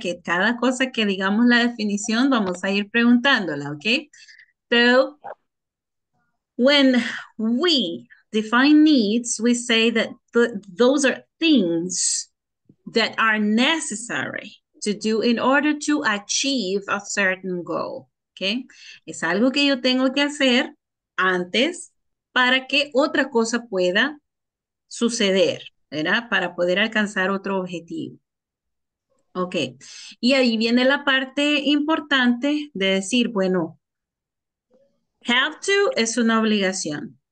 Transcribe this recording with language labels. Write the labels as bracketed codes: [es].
[es] Que cada cosa que digamos la definición, vamos a ir preguntándola, ¿ok? [en] So, when we define needs, we say that those are things that are necessary to do in order to achieve a certain goal, ¿ok? [es] Es algo que yo tengo que hacer antes para que otra cosa pueda suceder, ¿verdad? Para poder alcanzar otro objetivo. Ok, y ahí viene la parte importante de decir, bueno, have to es una obligación.